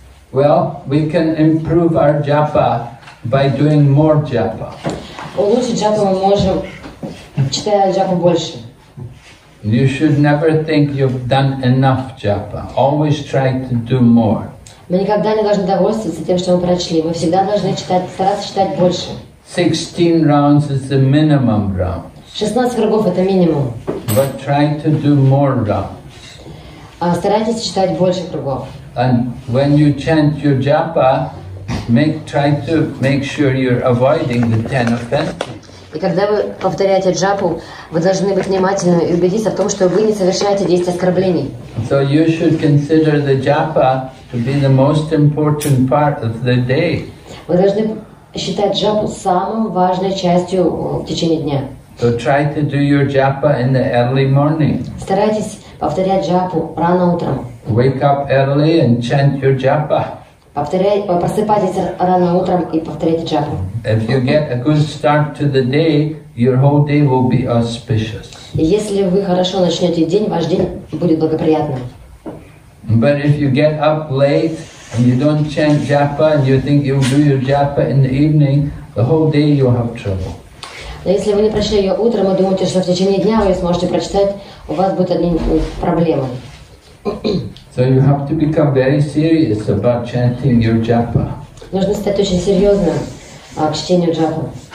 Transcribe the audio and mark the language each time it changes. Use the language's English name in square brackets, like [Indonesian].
[English] Well, we can improve our japa by doing more japa. [Russian] Улучшить джапу мы можем, читая джапу больше. [English] You should never think you've done enough japa. Always try to do more. [Russian] Мы никогда не должны довольствоваться тем, что мы прочли. Мы всегда должны читать, стараться читать больше. [English] 16 rounds is the minimum round. [Russian] 16 кругов это минимум. [English] But try to do more rounds. [Russian] Старайтесь читать больше кругов. [English] And when you chant your japa, try to make sure you're avoiding the 10 offenses. [Russian] И когда вы повторяете джапу, вы должны быть внимательны и убедиться в том, что вы не совершаете 10 оскорблений. [English] So you should consider the japa to be the most important part of the day. [Russian] Вы должны считать джапу самой важной частью в течение дня. [English] So try to do your japa in the early morning. [Russian] Старайтесь повторять джапу рано утром. [English] Wake up early and chant your japa. [Russian] Просыпайтесь рано утром и повторяйте джапу. [English] If you get a good start to the day, your whole day will be auspicious. [Russian] Если вы хорошо начнете день, ваш день будет благоприятным. [English] But if you get up late and you don't chant japa and you think you'll do your japa in the evening, the whole day you'll have trouble. [Russian] Но если вы не прочли ее утром и думаете, что в течение дня вы сможете прочитать, у вас будут одни проблемы. [English] So you have to become very serious about chanting your japa. [Russian] Нужно стать очень серьезным к чтению джапы.